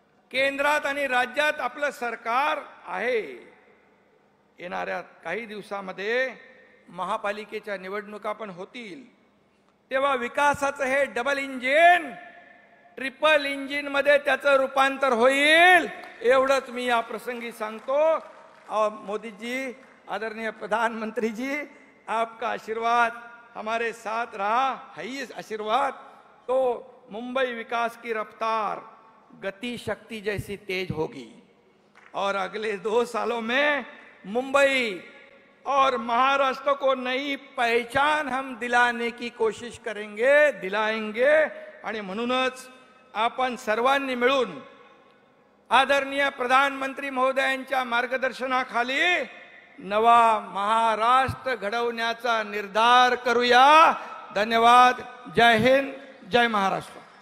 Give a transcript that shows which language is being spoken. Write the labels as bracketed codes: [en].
[mr] केंद्रात आणि राज्यात आपलं सरकार आहे। येणाऱ्या काही दिवसांमध्ये महापालिकेच्या निवडणुका पण होतील, तेव्हा विकासाचं हे डबल इंजिन ट्रिपल इंजिन मध्ये त्याचं रूपांतर होईल, एवढंच मी या प्रसंगी सांगतो। [hi] मोदीजी, आदरणीय प्रधानमंत्री जी, आपका आशीर्वाद हमारे साथ रहा है, इस आशीर्वाद तो मुंबई विकास की रफ्तार गति शक्ति जैसी तेज होगी। और अगले 2 सालों में मुंबई और महाराष्ट्र को नई पहचान हम दिलाने की कोशिश करेंगे, दिलाएंगे। [mr] आणि म्हणूनच आपण सर्वांनी मिळून आदरणीय प्रधानमंत्री महोदयांच्या मार्गदर्शनाखाली नवा महाराष्ट्र घडवण्याचा निर्धार करूया। धन्यवाद। जय हिंद, जय महाराष्ट्र।